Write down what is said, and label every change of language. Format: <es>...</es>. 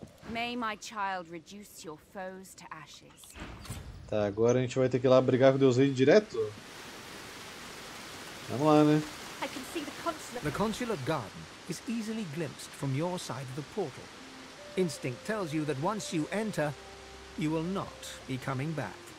<en>May my child reduce your foes to ashes.</en> <pt>Tá, agora a gente vai ter que ir lá brigar com Deus Rei direto? Vamos lá, né?</pt> <en>I can see the consulate. The consulate garden is easily glimpsed from your side of the portal. Instinct tells you that once you enter, you will not be coming back.</en>